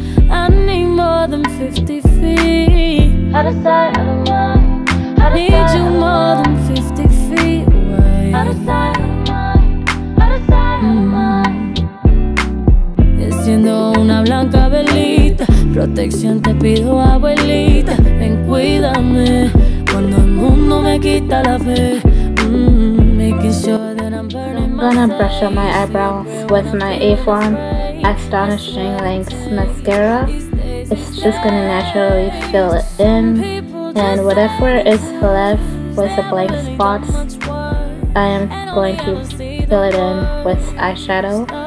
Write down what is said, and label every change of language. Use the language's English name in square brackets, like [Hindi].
[English] I need more than 50 feet. Out of sight, out of mind. I need you more than 50 feet away. Out of sight, out of mind. Out of sight, out of mind. [Spanish] Siendo una blanca velita. Protección te pido, abuelita. Ven, cuídame. Cuando el mundo me quita la fe. [English] Making sure that I'm burning. I'm gonna brush up my eyebrows with my A-Form Astonishing Lengths mascara. It's just gonna naturally fill it in. And whatever is left with the blank spots, I am going to fill it in with eyeshadow.